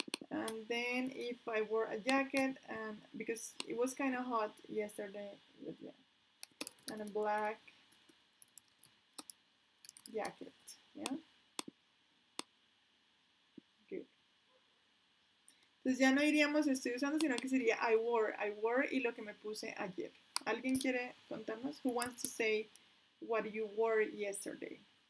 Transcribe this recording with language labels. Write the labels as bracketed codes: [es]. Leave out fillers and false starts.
[en] And then if I wore a jacket, and because it was kind of hot yesterday, but yeah, and a black jacket, yeah. Good. [es] Entonces ya no iríamos estoy usando, sino que sería [en] I wore [es] y lo que me puse ayer. ¿Alguien quiere contarnos? [en] Who wants to say what you wore yesterday?